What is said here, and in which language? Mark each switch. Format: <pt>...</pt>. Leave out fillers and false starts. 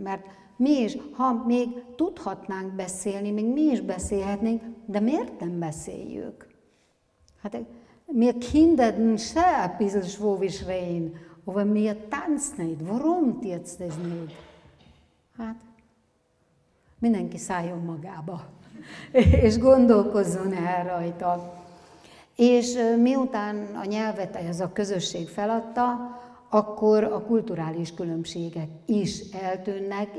<hu>Mert mi is, ha még tudhatnánk beszélni, még mi is beszélhetnénk, de miért nem beszéljük? Hát</hu> <de>mir kinden se a bissel schwobisch reden, aber mir tanzt nicht. Warum jetzt das nicht?</de> <hu>Hát, mindenki szálljon magába, és gondolkozzon el rajta. És miután a nyelvet ez a közösség feladta, akkor a kulturális különbségek is eltűnnek.</hu>